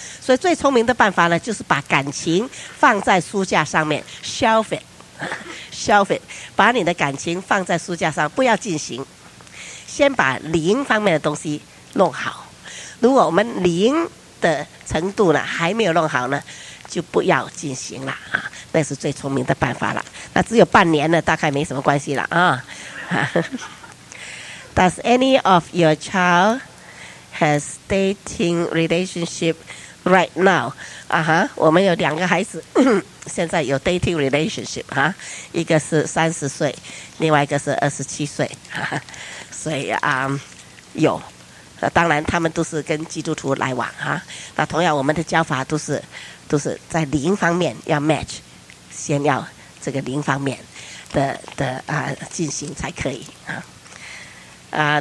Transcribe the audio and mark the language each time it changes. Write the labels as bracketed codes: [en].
[zh] 所以最聪明的办法呢，就是把感情放在书架上面 [en] shelf it， [zh] 把你的感情放在书架上，不要进行，先把灵方面的东西弄好。如果我们灵的程度呢还没有弄好呢，就不要进行了啊，那是最聪明的办法了。那只有半年呢，大概没什么关系了啊。 [en] Does any of your child has dating relationship right now？ [zh] 啊哈，我们有两个孩子，现在有 [en] dating relationship [zh] 哈、一个是30岁，另外一个是27岁，所以啊、有。那当然，他们都是跟基督徒来往哈、那同样，我们的教法都是在灵方面要 match， 先要这个灵方面的啊进行才可以啊。